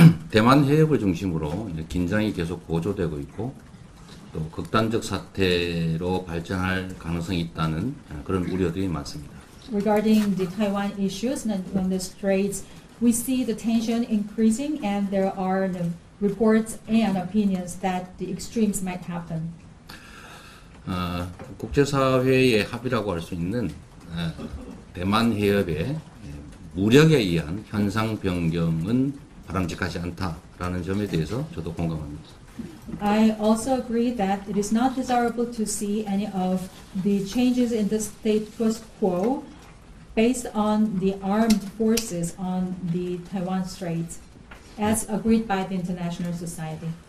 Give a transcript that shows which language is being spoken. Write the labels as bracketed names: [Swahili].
[Korean] 대만 해협을 중심으로 긴장이 계속 고조되고 있고 또 극단적 사태로 발전할 가능성이 있다는 그런 우려들이 많습니다. [English] Regarding the Taiwan issues and on the straits, we see the tension increasing and there are the reports and opinions that the extremes might happen. [Korean] 국제사회의 합의라고 할 수 있는 대만 해협의 무력에 의한 현상 변경은 바람직하지 않다라는 점에 대해서 저도 공감합니다. [English] I also agree that it is not desirable to see any of the changes in the status quo based on the armed forces on the Taiwan Straits, as agreed by the international society.